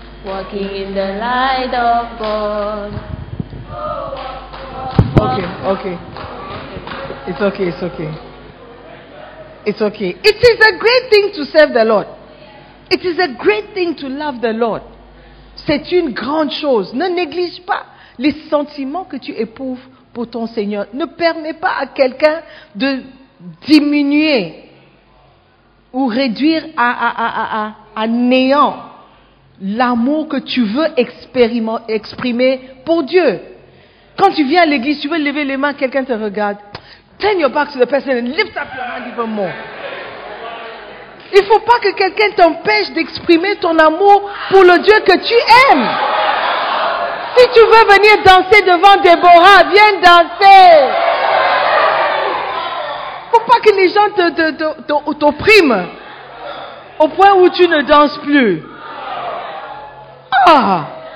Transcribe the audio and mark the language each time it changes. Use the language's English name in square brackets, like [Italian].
[English] Walking in the light of God. Okay. It's okay. It's okay. It is a great thing to serve the Lord. It is a great thing to love the Lord. [French] C'est une grande chose. Ne néglige pas les sentiments que tu éprouves pour ton Seigneur. Ne permets pas à quelqu'un de diminuer ou réduire à néant l'amour que tu veux exprimer pour Dieu. Quand tu viens à l'église, tu veux lever les mains, quelqu'un te regarde. [English] Turn your back to the person and lift up your hand even more. [French] Il ne faut pas que quelqu'un t'empêche d'exprimer ton amour pour le Dieu que tu aimes. Si tu veux venir danser devant Déborah, viens danser. Il ne faut pas que les gens t'oppriment au point où tu ne danses plus. Ah!